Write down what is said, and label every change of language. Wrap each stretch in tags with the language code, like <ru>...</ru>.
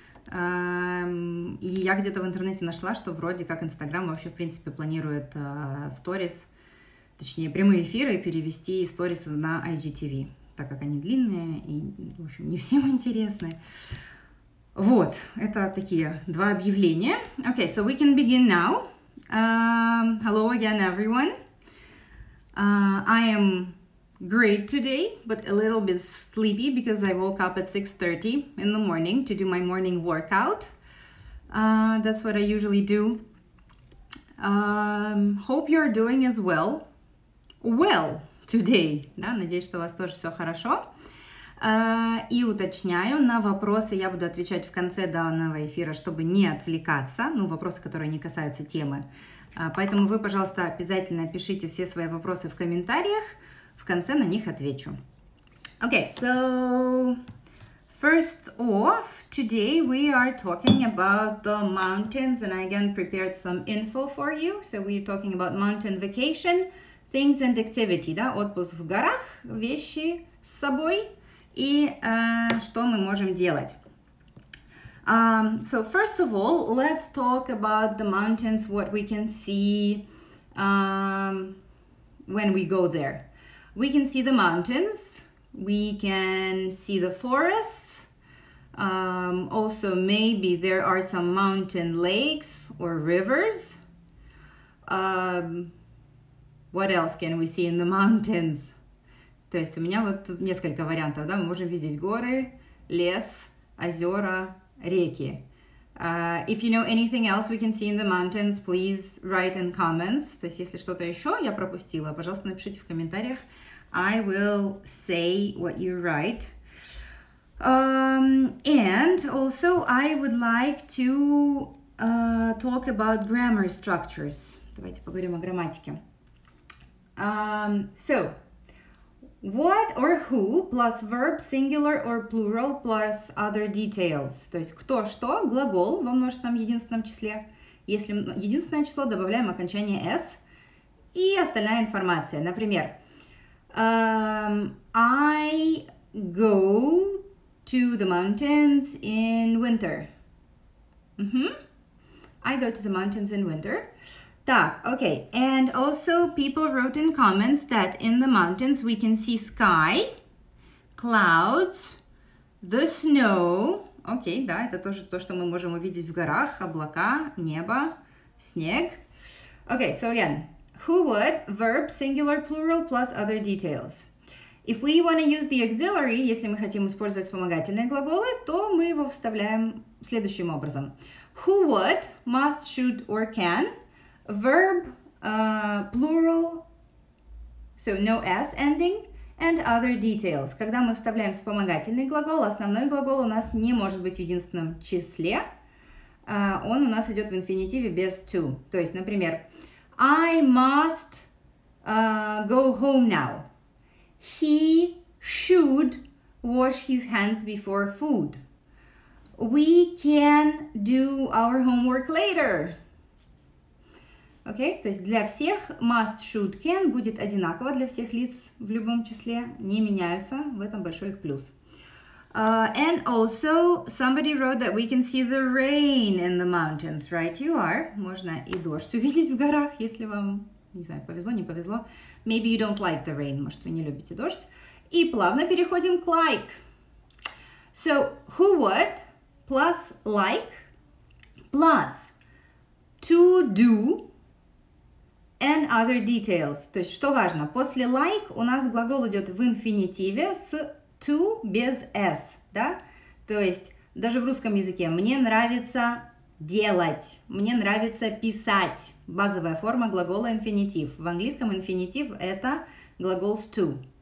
<ru>И я где-то в интернете нашла, что вроде как Инстаграм вообще, в принципе, планирует сторис, точнее, прямые эфиры перевести из сторис на IGTV, так как они длинные и, в общем, не всем интересны. Вот, это такие два объявления.</ru> <en>Okay, so we can begin now. Hello again, everyone. I am great today, but a little bit sleepy because I woke up at 6:30 in the morning to do my morning workout. That's what I usually do. Hope you're doing as well. Well, today.</en> <ru>Да, надеюсь, что у вас тоже все хорошо. И уточняю, на вопросы я буду отвечать в конце данного эфира, чтобы не отвлекаться. Ну, вопросы, которые не касаются темы. Поэтому вы, пожалуйста, обязательно пишите все свои вопросы в комментариях. В конце на них отвечу.</ru> <en>Okay, so first off, today we are talking about the mountains, and I again prepared some info for you. So we're talking about mountain vacation, things and activity,</en> <ru>да, отпуск в горах, вещи с собой и что мы можем делать.</ru> <en>So first of all, let's talk about the mountains, what we can see when we go there. We can see the mountains, we can see the forests, also maybe there are some mountain lakes or rivers. What else can we see in the mountains?</en> <ru>То есть у меня вот тут несколько вариантов, да, мы можем видеть горы, лес, озера, реки.</ru> <en>If you know anything else we can see in the mountains, please write in comments.</en> <ru>То есть если что-то еще я пропустила, пожалуйста, напишите в комментариях.</ru> <en>I will say what you write. And also I would like to talk about grammar structures.</en> <ru>Давайте поговорим о грамматике.</ru> <en>So, what or who plus verb singular or plural plus other details?</en> <ru>То есть кто, что, глагол во множественном единственном числе. Если единственное число, добавляем окончание s и остальная информация. Например,</ru> <en>I go to the mountains in winter. I go to the mountains in winter.</en> <ru>Так,</ru> <en>okay. And also people wrote in comments that in the mountains we can see sky, clouds, the snow.</en> <ru>Okay, да, это тоже то, что мы можем увидеть в горах, облака, небо, снег.</ru> <en>Okay, so again, who, what, verb, singular, plural, plus other details. If we want to use the auxiliary,</en> <ru>если мы хотим использовать вспомогательные глаголы, то мы его вставляем следующим образом.</ru> <en>Who, what, must, should, or can. Verb, plural, so no s ending, and other details.</en> <ru>Когда мы вставляем вспомогательный глагол, основной глагол у нас не может быть в единственном числе. Он у нас идет в инфинитиве без to. То есть, например,</ru> <en>I must go home now. He should wash his hands before food. We can do our homework later.</en> <ru>Окей, okay? То есть для всех must, should, can будет одинаково для всех лиц в любом числе, не меняются, в этом большой их плюс.</ru> <en>And also, somebody wrote that we can see the rain in the mountains, right? You are.</en> <ru>Можно и дождь увидеть в горах, если вам, не знаю, повезло, не повезло.</ru> <en>Maybe you don't like the rain,</en> <ru>может, вы не любите дождь. И плавно переходим к like.</ru> <en>So, who, what, plus like, plus to do, and other details.</en> <ru>То есть, что важно, после like у нас глагол идет в инфинитиве с to без s, да? То есть, даже в русском языке мне нравится делать, мне нравится писать. Базовая форма глагола инфинитив. В английском инфинитив это глагол с to.</ru>